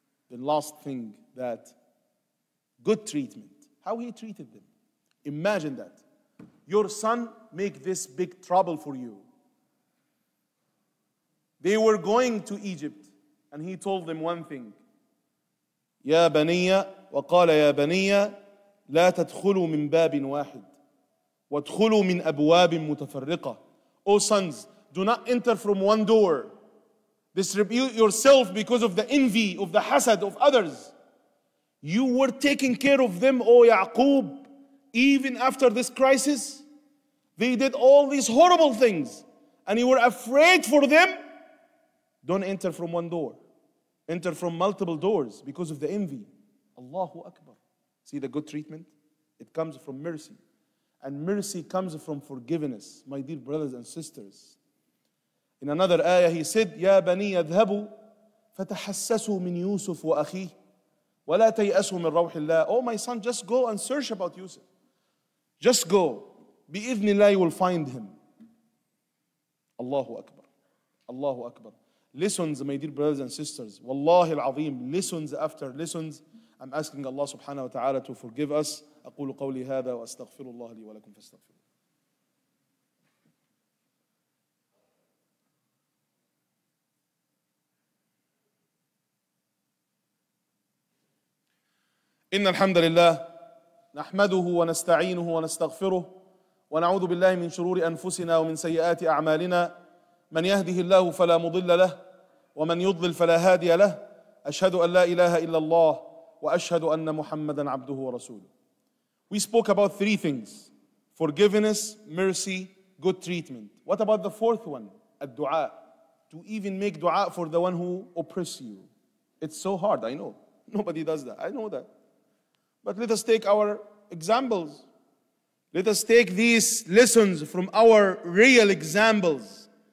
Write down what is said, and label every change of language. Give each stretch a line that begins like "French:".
English: The last thing, that good treatment, how he treated them. Imagine that. Your son make this big trouble for you. They were going to Egypt, and he told them one thing.
Arabic: يَا بَنِيَّ وَقَالَ يَا بَنِيَّ لَا تَدْخُلُوا مِنْ بَابٍ وَاحِدٍ وَادْخُلُوا مِنْ أَبْوَابٍ مُتَفَرِّقَةٍ
English: O sons, do not enter from one door. Distribute yourself because of the envy, of the hasad, of others. You were taking care of them, O Ya'qub, even after this crisis. They did all these horrible things, and you were afraid for them. Don't enter from one door. Enter from multiple doors because of the envy. Allahu Akbar. See the good treatment? It comes from mercy. And mercy comes from forgiveness, my dear brothers and sisters. In another ayah, he said,
Arabic: يَا بَنِيَ اذْهَبُوا فَتَحَسَّسُوا مِنْ يُوسُفُ وَأَخِيهِ وَلَا تَيْأَسُوا مِنْ رَوْحِ اللَّهِ
English: Oh, my son, just go and search about Yusuf. Just go.
Arabic: بِإِذْنِ اللَّهِ
English: you will find him. Allahu Akbar. Allahu Akbar. Listens, my dear brothers and sisters.
Arabic: Wallahi al-azim.
English: Listens after listens. I'm asking Allah subhanahu wa ta'ala to forgive us.
Arabic: أقول قولي هذا وأستغفر الله لي ولكم فاستغفروا. إن الحمد لله نحمده ونستعينه ونستغفره ونعوذ بالله من شرور أنفسنا ومن سيئات أعمالنا من يهده الله فلا مضل له ومن يضلل فلا هادي له أشهد أن لا إله إلا الله وأشهد أن محمدا عبده ورسوله
English: We spoke about three things: forgiveness, mercy, good treatment. What about the fourth one?
Arabic: الدعاء.
English: To even make dua for the one who oppresses you. It's so hard, I know. Nobody does that. I know that. But let us take our examples. Let us take these lessons from our real examples.